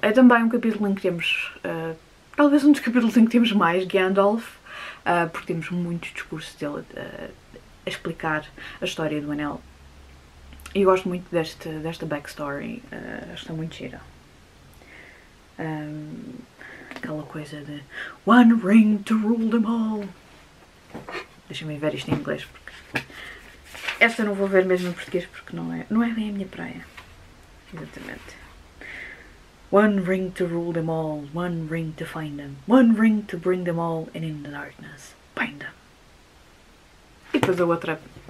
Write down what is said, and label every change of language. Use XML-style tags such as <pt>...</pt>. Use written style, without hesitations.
<pt>É também um capítulo em que temos, talvez um dos capítulos em que temos mais Gandalf, porque temos muito discurso dele a explicar a história do anel. E gosto muito desta backstory, está muito gira. Aquela coisa de</pt> <en>One ring to rule them all.</en> <pt>Deixa-me ver isto em inglês porque esta não vou ver mesmo em português porque não é bem a minha praia. Exatamente.</pt> <en>One ring to rule them all, one ring to find them, one ring to bring them all and in the darkness, bind them.</en> <pt>E depois a outra</pt>